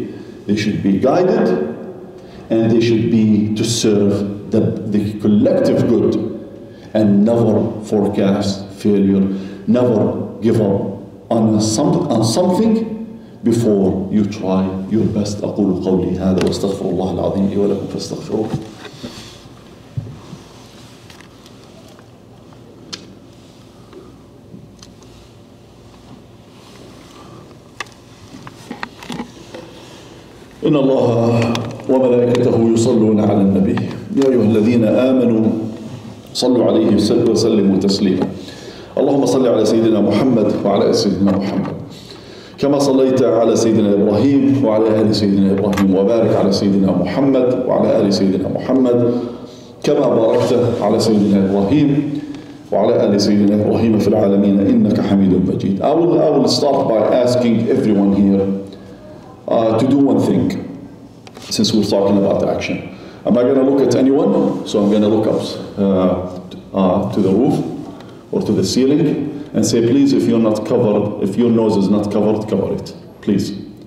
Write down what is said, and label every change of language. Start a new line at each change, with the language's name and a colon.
English: They should be guided and they should be to serve the collective good and never forecast failure. Never give up on something before you try your best.
Arabic: أقول قولي هذا واستغفر الله العظيم لي ولكم فاستغفروه. إن الله وملائكته يصلون على النبي يا أيها الذين آمنوا صلوا عليه وسلموا تسليما. اللهم صل على سيدنا محمد وعلى آل سيدنا محمد كما صليت على سيدنا إبراهيم وعلى آل سيدنا إبراهيم وبارك على سيدنا محمد وعلى آل سيدنا محمد كما باركت على سيدنا إبراهيم وعلى آل سيدنا إبراهيم في العالمين إنك حميد مجيد.
English: I will start by asking everyone here to do one thing since we're talking about action. Am I going to look at anyone? So I'm going to look up to the roof or to the ceiling and say, please, if you're not covered, if your nose is not covered, cover it, please.